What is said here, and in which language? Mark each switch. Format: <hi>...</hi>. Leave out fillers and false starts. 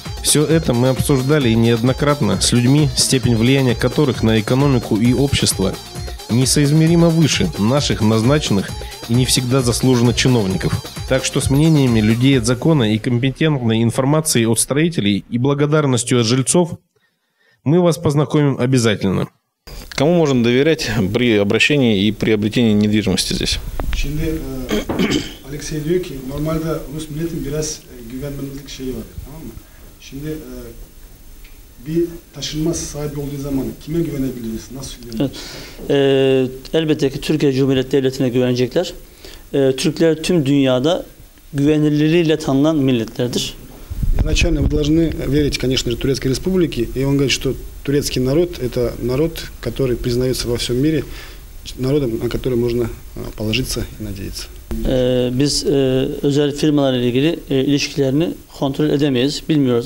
<ru>Все это мы обсуждали и неоднократно с людьми, степень влияния которых на экономику и общество несоизмеримо выше наших назначенных и не всегда заслуженно чиновников. Так что с мнениями людей от закона и компетентной информацией от строителей и благодарностью от жильцов мы вас познакомим обязательно. Кому можно доверять при обращении и приобретении недвижимости здесь?</ru> <tr>Şimdi Алексей diyor ki normalde Rus milletin biraz güvenmemizlik şeyi var, tamam mı? Şimdi bir taşınmaz sahibi olduğu zaman kime güvenebiliriz? Nasıl güvenebiliriz? Elbette ki Türkiye Cumhuriyeti Devleti'ne güvenecekler. Türkler tüm dünyada güvenilirliğiyle tanınan milletlerdir.</tr> <ru>Изначально вы должны верить, конечно же, Турецкой Республике, и он говорит, что турецкий народ – это народ, который признается во всем мире, народом, на который можно положиться и надеяться.</ru> <tr>Biz özel firmalarla ilgili ilişkilerini kontrol edemeyiz, bilmiyoruz.</tr>